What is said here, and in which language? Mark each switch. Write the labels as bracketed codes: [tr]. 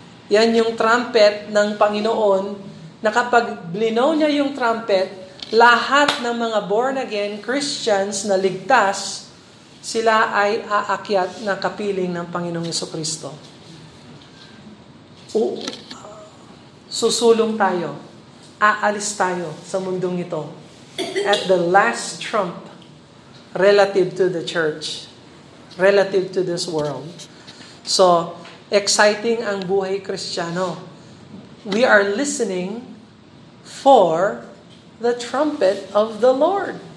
[tl] Yan yung trumpet ng Panginoon na kapag blinaw niya yung trumpet, lahat ng mga born again Christians na ligtas, sila ay aakyat na kapiling ng Panginoong Jesucristo. Susulong tayo. aalis tayo sa mundong ito [en] at the last trump relative to the church, relative to this world. [tl] So, exciting ang buhay Kristiyano. [en] We are listening for the trumpet of the Lord.